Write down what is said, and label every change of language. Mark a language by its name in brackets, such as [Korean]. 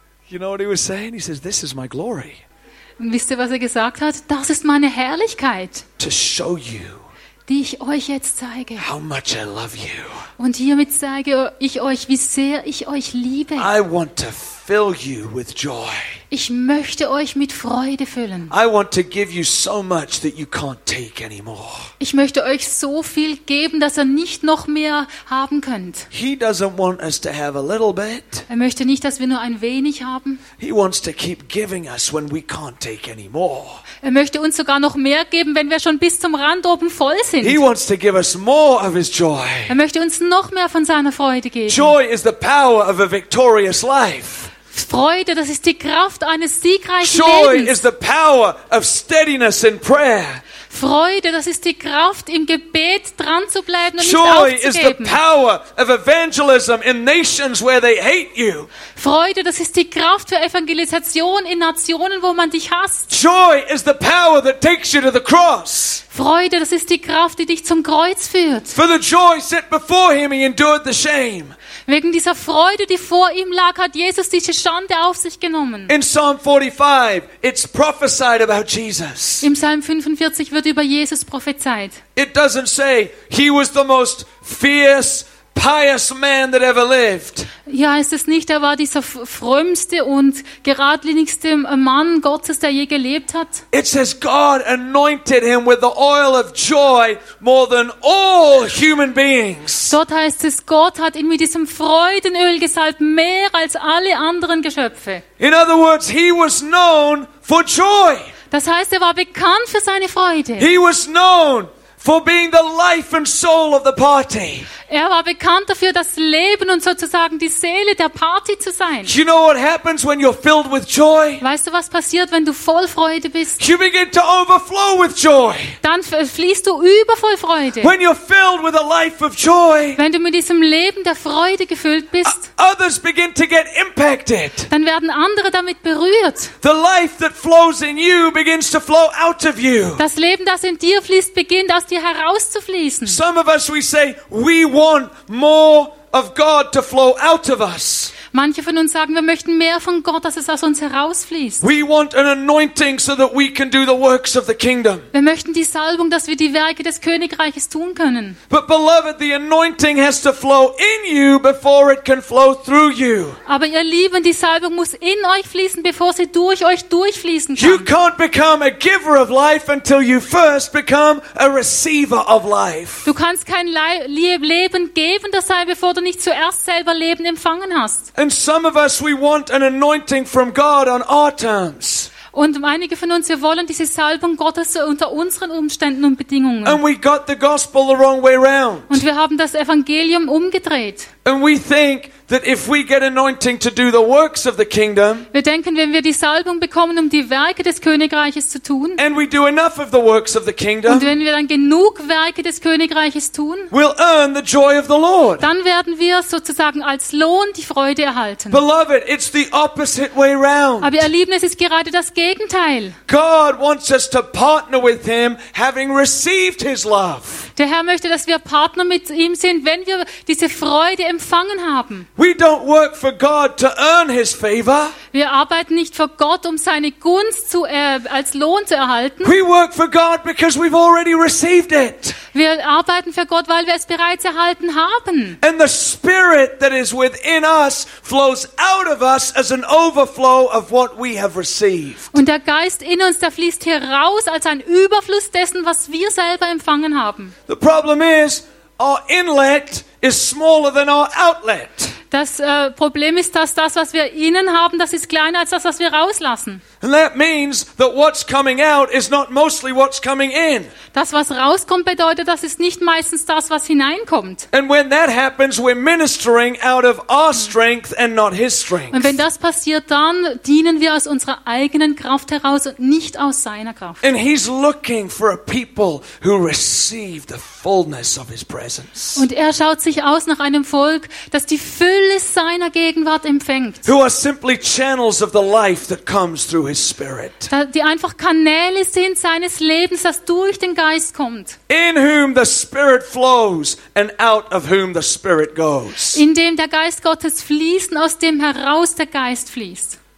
[English] You know what he was saying? He says, "This is my glory." [German] Wisst ihr, was er gesagt hat? Das ist meine Herrlichkeit. [English] To show you. [German] Die ich euch jetzt zeige. [English] How much I love you. [German] Und hiermit zeige ich euch, wie sehr ich euch liebe. [English] I want to fill you with joy. [German] Ich möchte euch mit Freude füllen. [English] I want to give you so much that you can't take anymore. [German] Ich möchte euch so viel geben, dass ihr nicht noch mehr haben könnt. [English] He doesn't want us to have a little bit. [German] Er möchte nicht, dass wir nur ein wenig haben. [English] He wants to keep giving us when we can't take anymore. [German] Er möchte uns sogar noch mehr geben, wenn wir schon bis zum Rand oben voll sind. [English] He wants to give us more of his joy. [German] Er möchte uns noch mehr von seiner Freude geben. [English] Joy is the power of a victorious life. [German] Freude, das ist die Kraft eines siegreichen [English] Joy [German] Lebens. [English] Is the power of steadiness in prayer. [German] Freude, das ist die Kraft im Gebet dran zu bleiben und [English] Joy [German] nicht aufzugeben. [English] Is the power of evangelism in nations where they hate you. [German] Freude, das ist die Kraft für Evangelisation in Nationen, wo man dich hasst. [English] Joy is the power that takes you to the cross. [German] Freude, das ist die Kraft, die dich zum Kreuz führt. [English] For the joy set before him, he endured the shame. [German] Wegen dieser Freude, die vor ihm lag, hat Jesus diese Schande auf sich genommen. [English] In Psalm 45, it's prophesied about Jesus. [German] Im Psalm 45 wird über Jesus prophezeit. [English] It doesn't say he was the most fierce, pious man that ever lived. [German] Ja, heißt es nicht, er war dieser frömmste und geradlinigste Mann Gottes, der je gelebt hat. [English] It says God anointed him with the oil of joy more than all human beings. [German] Dort heißt es, Gott hat ihn mit diesem Freudenöl gesalbt, mehr als alle anderen Geschöpfe. [English] In other words, he was known for joy. [German] Das heißt, er war bekannt für seine Freude. [English] He was known for being the life and soul of the party. [German] Er war bekannt dafür, das Leben und sozusagen die Seele der Party zu sein. [English] You know what happens when you're filled with joy? [German] Weißt du, was passiert, wenn du voll Freude bist? [English] You begin to overflow with joy. [German] Dann fließt du über voll Freude. [English] When you're filled with a life of joy, [German] wenn du mit diesem Leben der Freude gefüllt bist, [English] others begin to get impacted. [German] Dann werden andere damit berührt. [English] The life that flows in you begins to flow out of you. [German] Das Leben, das in dir fließt, beginnt aus dir herauszufließen. [English] Some of us we say we want more of God to flow out of us. [German] Manche von uns sagen, wir möchten mehr von Gott, dass es aus uns herausfließt. [English] We want an anointing so that we can do the works of the kingdom. [German] Wir möchten die Salbung, dass wir die Werke des Königreiches tun können. [English] But beloved, the anointing has to flow in you before it can flow through you. [German] Aber ihr Lieben, die Salbung muss in euch fließen, bevor sie durch euch durchfließen kann. [English] You can't become a giver of life until you first become a receiver of life. [German] Du kannst kein Leben geben, das sei, bevor du nicht zuerst selber Leben empfangen hast. [English] And some of us we want an anointing from God on our terms. [German] Und einige von uns, wir wollen diese Salbung Gottes unter unseren Umständen und Bedingungen. [English] And we got the gospel the wrong way around. [German] Und wir haben das Evangelium umgedreht. [English] And we think that if we get anointing to do the works of the kingdom, [German] wir denken, wenn wir die Salbung bekommen, um die Werke des Königreiches zu tun, [English] and we do enough of the works of the kingdom, [German] und wenn wir dann genug Werke des Königreiches tun, [English] we'll earn the joy of the Lord. [German] Dann werden wir sozusagen als Lohn die Freude erhalten. [English] Beloved, it's the opposite way round. [German] Aber ihr Lieben, es ist gerade das Gegenteil. [English] God wants us to partner with him, having received his love. [German] Der Herr möchte, dass wir Partner mit ihm sind, wenn wir diese Freude empfangen haben. [English] We don't work for God to earn his favor. [German] Wir arbeiten nicht für Gott, um seine Gunst zu als Lohn zu erhalten. [English] We work for God because we've already received it. [German] Wir arbeiten für Gott, weil wir es bereits erhalten haben. [English] And the spirit that is within us flows out of us as an overflow of what we have received. [German] Und der Geist in uns, der fließt heraus als ein Überfluss dessen, was wir selber empfangen haben. [English] The problem is our inlet is smaller than our outlet. [German] Das Problem ist, dass das, was wir innen haben, das ist kleiner als das, was wir rauslassen. [English] And that means that what's coming out is not mostly what's coming in. [German] Das, was rauskommt, bedeutet, das ist nicht meistens das, was hineinkommt. [English] And when that happens, we're ministering out of our strength and not his strength. [German] Und wenn das passiert, dann dienen wir aus unserer eigenen Kraft heraus und nicht aus seiner Kraft. [English] And he's looking for a people who receive the fullness of his presence. [German] Und er schaut sich aus nach einem Volk, das die Fülle seiner Gegenwart empfängt. [English] Who are simply channels of the life that comes through his spirit. [German] Die einfach Kanäle sind seines Lebens, das durch den Geist kommt. [English] In whom the spirit flows and out of whom the spirit goes. [German] In dem der Geist Gottes fließt, aus dem heraus der Geist fließt.